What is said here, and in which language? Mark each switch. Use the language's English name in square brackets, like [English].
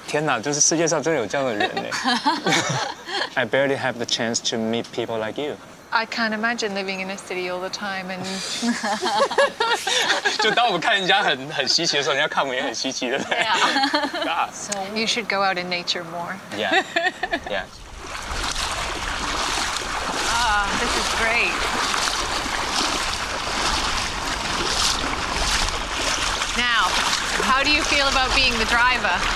[Chinese] 天哪，就是世界上真有这样的人呢。 [English] I barely have the chance to meet people like you. I can't imagine living in a city all the time and... [Chinese] 就当我们看人家很稀奇的时候，人家看我们也很稀奇的。 [English] So you should go out in nature more. Yeah, yeah. Ah, this is great. Now, how do you feel about being the driver?